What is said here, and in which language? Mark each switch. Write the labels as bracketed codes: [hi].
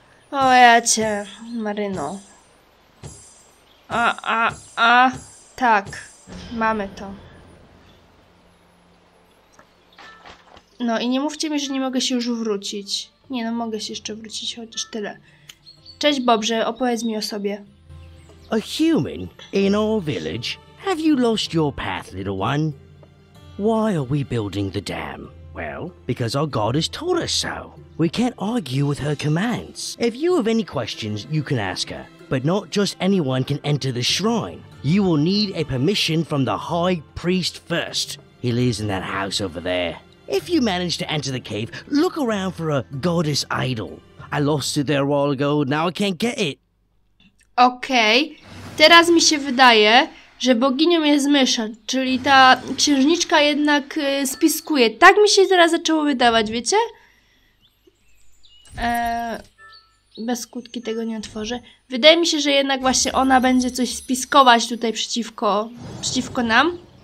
[pl] O ja cię, Maryno. A. Tak, mamy to. No i nie mówcie mi, że nie mogę się już wrócić. Nie, no mogę się jeszcze wrócić, chociaż tyle. Cześć, Bobrze, opowiedz mi o sobie. [en] A human in our village? Have you lost your path, little one? Why are we building the dam? Well, because our goddess told us so. We can't argue with her commands. If you have any questions, you can ask her. But not just anyone can enter the shrine. You will need a permission from the high priest first. He lives in that house over there. If you manage to enter the cave, look around for a goddess idol. I lost it there a while ago, now I can't get it. Okej, okay. [pl] Teraz mi się wydaje, że boginią jest mysza, czyli ta księżniczka jednak spiskuje. Tak mi się teraz zaczęło wydawać, wiecie? Bez skutki tego nie otworzę. Wydaje mi się, że jednak właśnie ona będzie coś spiskować tutaj przeciwko nam.